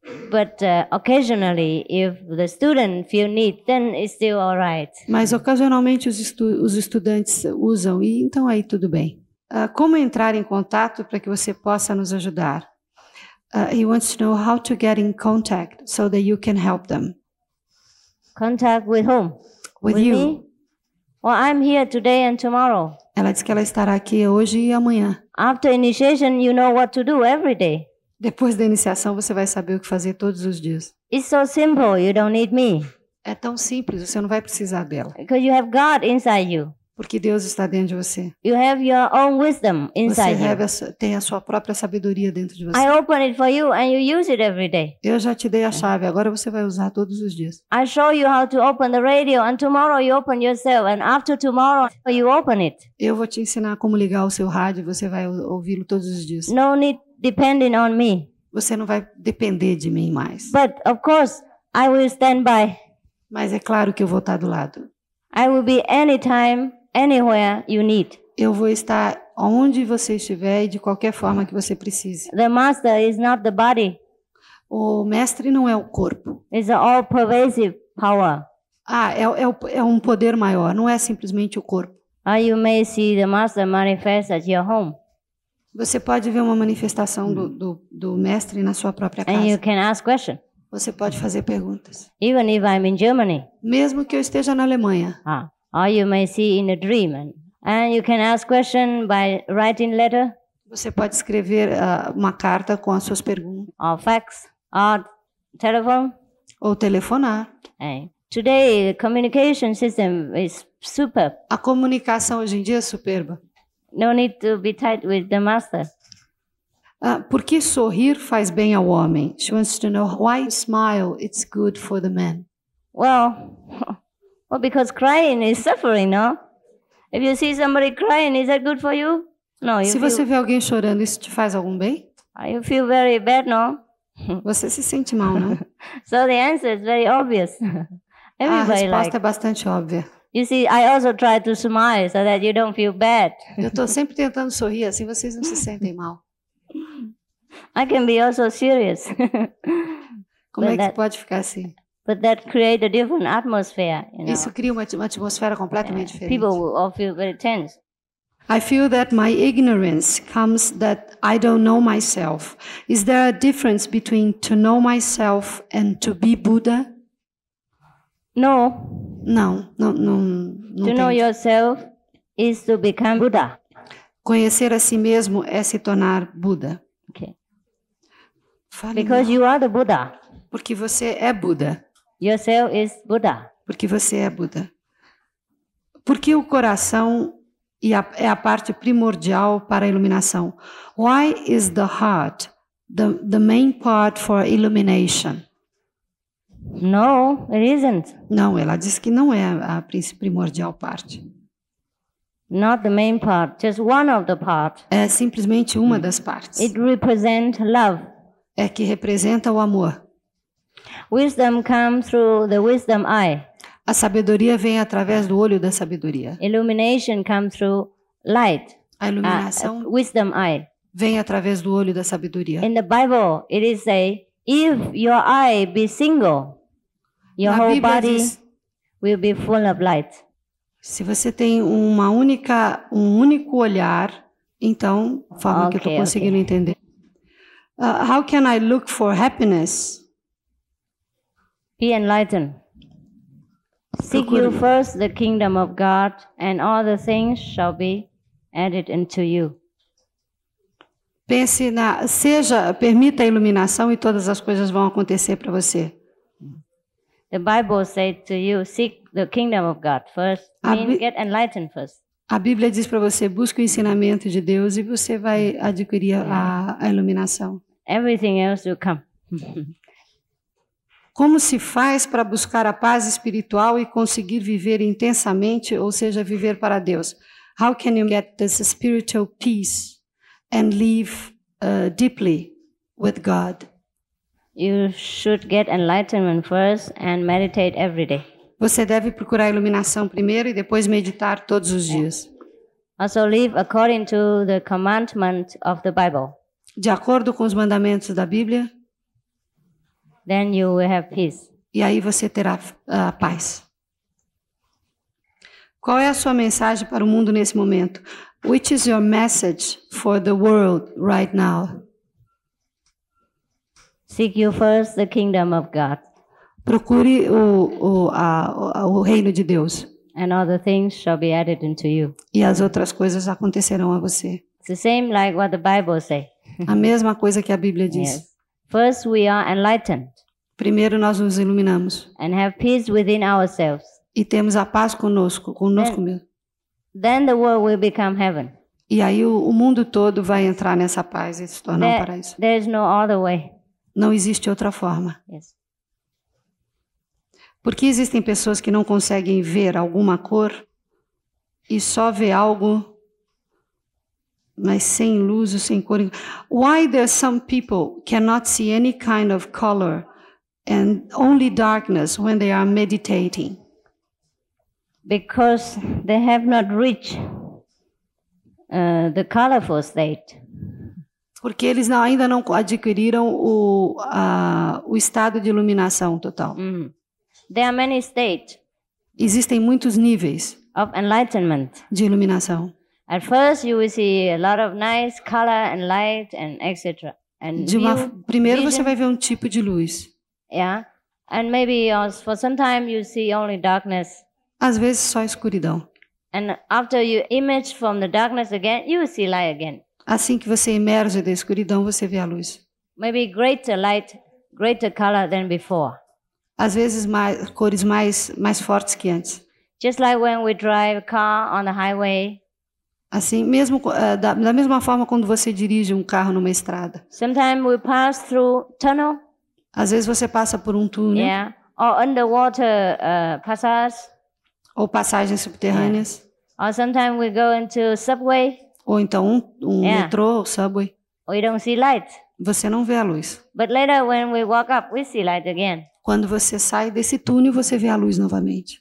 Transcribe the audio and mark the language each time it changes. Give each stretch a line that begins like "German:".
English: But occasionally, if the student feel need, then it's still all right.
Portuguese: Mas ocasionalmente os estudantes usam e então aí tudo bem. Como entrar em contato para que você possa nos ajudar?
English: He wants to know how to get in contact so that you can help them. Contact with whom? With you. Me? Well, I'm here today and tomorrow.
Portuguese: Ela disse que ela estará aqui hoje e amanhã.
English: After initiation, you know what to do every day.
Portuguese: Depois da iniciação, você vai saber o que fazer todos os dias.
English: It's so simple, you don't need me.
Portuguese: É tão simples, você não vai precisar dela.
English: Because you have God inside you.
Portuguese: Porque Deus está dentro de você.
English: You have your own wisdom inside
Portuguese: você
English: you.
Portuguese: Tem a sua própria sabedoria dentro de você.
English: I open it for you and you use it every day.
Portuguese: Eu já te dei a chave, agora você vai usar todos os dias.
English: I show you how to open the radio and tomorrow you open yourself and after tomorrow you open it.
Portuguese: Eu vou te ensinar como ligar o seu rádio, você vai ouvi-lo todos os dias.
English: No need depending on me.
Portuguese: Você não vai depender de mim mais.
English: But of course I will stand by.
Portuguese: Mas é claro que eu vou estar do lado.
English: I will be anytime. Anywhere you need.
Portuguese: Eu vou estar onde você estiver e de qualquer forma que você precise.
English: The master is not the body.
Portuguese: O mestre não é o corpo.
English: It's an all-pervasive power.
Portuguese: É um poder maior, não é simplesmente o corpo.
English: Ah, you may see the master manifest at your home.
Portuguese: Você pode ver uma manifestação do mestre na sua própria casa.
English: And you can ask questions.
Portuguese: Você pode fazer perguntas.
English: Even if I'm in Germany.
Portuguese: Mesmo que eu esteja na Alemanha.
English: Ah, or you may see in a dream, and you can ask questions by writing letter.
Portuguese: Você pode escrever uma carta com as suas perguntas.
English: Or fax, or telephone.
Portuguese: Ou telefonar.
English: Hey. Today, the communication system is superb.
Portuguese: A comunicação hoje em dia é superba.
English: No need to be tight with the master.
Portuguese: Por que sorrir faz bem ao homem?
English: She wants to know why smile it's good for the man. Well, because crying is suffering, no? If you see somebody crying, is that good for you? No.
Portuguese: Você vê alguém chorando, isso te faz algum bem?
English: You feel very bad, no?
Portuguese: Você se sente mal, não?
English: So the answer is very obvious. Everybody
Portuguese: a resposta
English: like.
Portuguese: É bastante óbvia.
English: You see, I also try to smile so that you don't feel bad.
Portuguese: Eu estou sempre tentando sorrir, assim vocês não se sentem mal.
English: I can be also serious.
Portuguese: Como but é que that, pode ficar assim?
English: But that create a different atmosphere, you know?
Portuguese: Isso cria uma atmosfera completamente diferente.
English: People will all feel very tense. I feel that my ignorance comes that I don't know myself. Is there a difference between to know myself and to be Buddha? No.
Portuguese: Não.
English: To know yourself is to become Buddha.
Portuguese: Conhecer a si mesmo é se tornar Buddha.
English: Okay.
Portuguese: Fale
English: Because
Portuguese: não.
English: You are the Buddha.
Portuguese: Porque você é Buddha.
English: Yourself is Buddha.
Portuguese: Porque você é Buddha. Porque o coração é a parte primordial para a iluminação.
English: Why is the heart the main part for illumination? No, it isn't.
Portuguese: Não, ela disse que não é a primordial parte.
English: Not the main part, just one of the parts.
Portuguese: É simplesmente uma das partes.
English: It represents love.
Portuguese: É que representa o amor.
English: Wisdom comes through the wisdom eye.
Portuguese: A sabedoria vem através do olho da sabedoria.
English: Illumination comes through light.
Portuguese: A iluminação
English: wisdom eye.
Portuguese: Vem através do olho da sabedoria.
English: In the Bible, it is say, if your eye be single, your
Portuguese: Na
English: whole
Portuguese: Bíblia
English: body
Portuguese: diz,
English: will be full of light.
Portuguese: Se você tem uma única, um único olhar, então, forma
English: okay,
Portuguese: que eu estou conseguindo
English: okay.
Portuguese: entender.
English: How can I look for happiness? Be enlightened. Seek you first the kingdom of God, and all the things shall be added unto you.
Portuguese: Pense na, seja, permita a iluminação e todas as coisas vão acontecer para você.
English: The Bible says to you, seek the kingdom of God first, mean get enlightened first.
Portuguese: A Bíblia diz para você, busque o ensinamento de Deus e você vai adquirir a iluminação.
English: Everything else will come.
Portuguese: Como se faz para buscar a paz espiritual e conseguir viver intensamente, ou seja, viver para Deus?
English: How can you get this spiritual peace and live deeply with God? You should get enlightenment first and meditate every day.
Portuguese: Você deve procurar iluminação primeiro e depois meditar todos os dias.
English: Also live according to the commandment of the Bible.
Portuguese: De acordo com os mandamentos da Bíblia.
English: Then you will have peace.
Portuguese: E aí você terá paz. Qual é a sua mensagem para o mundo nesse momento?
English: Which is your message for the world right now? Seek you first the kingdom of God.
Portuguese: Procure o reino de Deus.
English: And all the things shall be added unto you.
Portuguese: E as outras coisas acontecerão a você.
English: It's the same like what the Bible say.
Portuguese: A mesma coisa que a Bíblia diz.
English: Yes. First we are enlightened.
Portuguese: Primeiro nós nos iluminamos.
English: And have peace within ourselves.
Portuguese: E temos a paz conosco
English: then,
Portuguese: mesmo.
English: Then the world will become heaven.
Portuguese: E aí o mundo todo vai entrar nessa paz e se tornar
English: there,
Portuguese: um paraíso.
English: There is no other way.
Portuguese: Não existe outra forma.
English: Yes.
Portuguese: Por que existem pessoas que não conseguem ver alguma cor e só vê algo, mas sem luz ou sem cor?
English: Why there are some people cannot see any kind of color and only darkness when they are meditating? Because they have not reached the colorful state.
Portuguese: Porque eles ainda não adquiriram o estado de iluminação total.
English: Mm. There are many states.
Portuguese: Existem muitos níveis
English: of enlightenment.
Portuguese: De iluminação.
English: At first you will see a lot of nice color and light and etc. And
Portuguese: de uma, primeiro vision. Você vai ver um tipo de luz.
English: Yeah. And maybe for some time you see only darkness.
Portuguese: Às vezes só escuridão.
English: And after you emerge from the darkness again, you will see light again.
Portuguese: Assim que você emerge da escuridão, você vê a luz.
English: Maybe greater light, greater color than before.
Portuguese: Às vezes mais, cores mais fortes que antes.
English: Just like when we drive a car on the highway.
Portuguese: Assim, mesmo da mesma forma quando você dirige um carro numa estrada.
English: Sometimes we pass through tunnel.
Portuguese: Às vezes você passa por um túnel.
English: Yeah. Or underwater passages.
Portuguese: Ou passagens subterrâneas.
English: Yeah. Or sometimes we go into subway.
Portuguese: Ou então yeah. Metrô ou subway.
English: We don't see light.
Portuguese: Você não vê a luz.
English: But later when we walk up, we see light again.
Portuguese: Quando você sai desse túnel, você vê a luz novamente.